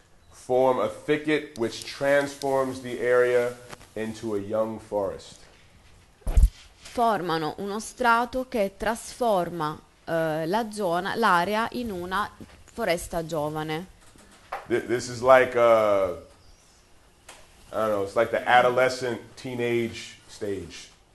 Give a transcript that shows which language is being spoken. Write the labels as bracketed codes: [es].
[en] Form a thicket which transforms the area into a young forest. [it] Formano uno strato che trasforma la zona, l'area in una foresta giovane. [en] This is like I don't know, it's like the adolescent teenage stage.